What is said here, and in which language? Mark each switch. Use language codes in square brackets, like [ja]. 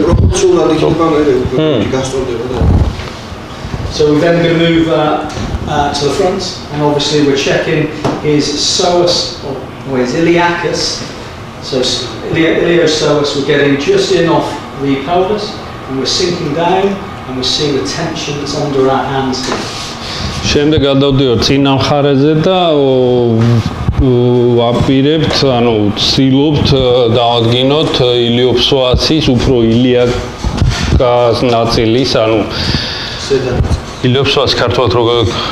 [ka] ორი პროპორციულად იქნება მერე გასტორდება და [en] So we're then going to move to the front and obviously we're checking his psoas or his iliacus so iliopsoas we're getting just in off the pelvis and we're sinking down and we're seeing the tension that's under our hands here [ka] შემდეგ გადავდივარ წინა მხარეზე და ვაპირებთ, ანუ ვცდილობთ დავადგინოთ ილიოფსოასის უფრო ილიაკას ნაწილის, ანუ ილიოფსოას ქართულად როგორ?